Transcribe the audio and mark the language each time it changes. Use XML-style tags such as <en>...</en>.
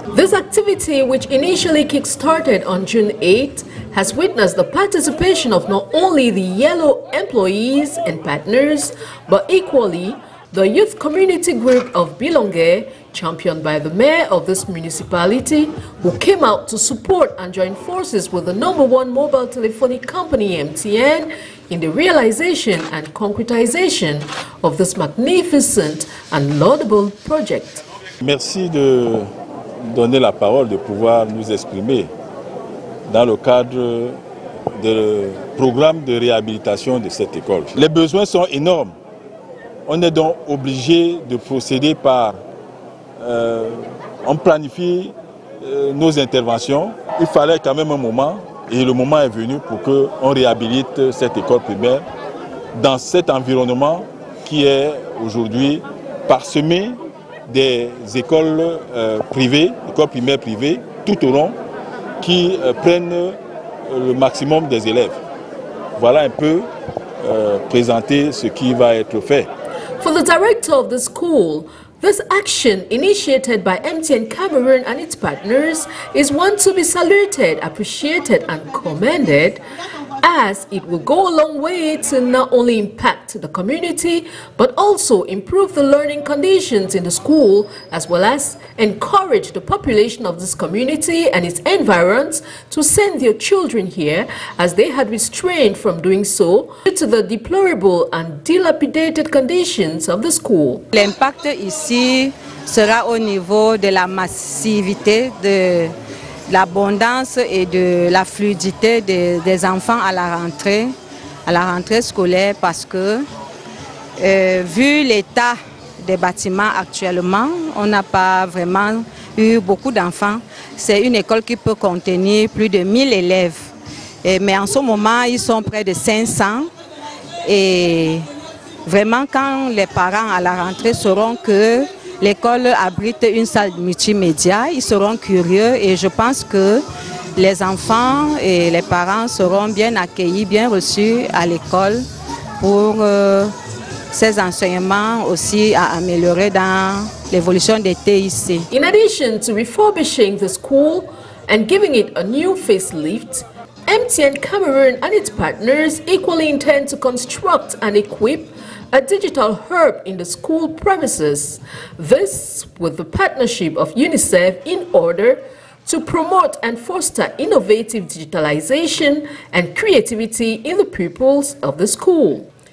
<en>This activity, which initially kick-started on June 8, has witnessed the participation of not only the Yellow employees and partners, but equally the youth community group of Bilonge, championed by the mayor of this municipality, who came out to support and join forces with the number one mobile telephony company, MTN, in the realization and concretization of this magnificent and laudable project.</en> <fr>Merci de donner la parole, de pouvoir nous exprimer dans le cadre du programme de réhabilitation de cette école. Les besoins sont énormes. On est donc obligé de procéder par... on planifie nos interventions. Il fallait quand même un moment, et le moment est venu pour qu'on réhabilite cette école primaire dans cet environnement qui est aujourd'hui parsemé des écoles privées, écoles primaires privées, tout au long, qui prennent le maximum des élèves. Voilà un peu présenter ce qui va être fait.</fr> <en>For the director of the school, this action initiated by MTN Cameroon and its partners is one to be saluted, appreciated and commended, as it will go a long way to not only impact the community but also improve the learning conditions in the school, as well as encourage the population of this community and its environs to send their children here, as they had restrained from doing so due to the deplorable and dilapidated conditions of the school.</en> <fr>L'impact ici sera au niveau de la massivité de l'abondance et de la fluidité des enfants à la rentrée scolaire, parce que vu l'état des bâtiments actuellement, on n'a pas vraiment eu beaucoup d'enfants. C'est une école qui peut contenir plus de 1000 élèves. Mais en ce moment, ils sont près de 500. Et vraiment, quand les parents à la rentrée sauront que l'école abrite une salle multimédia, ils seront curieux et je pense que les enfants et les parents seront bien accueillis, bien reçus à l'école pour ses enseignements aussi à améliorer dans l'évolution des TIC.</fr> <en>In addition to refurbishing the school and giving it a new facelift, MTN Cameroon and its partners equally intend to construct and equip a digital hub in the school premises. This with the partnership of UNICEF in order to promote and foster innovative digitalization and creativity in the pupils of the school.</en>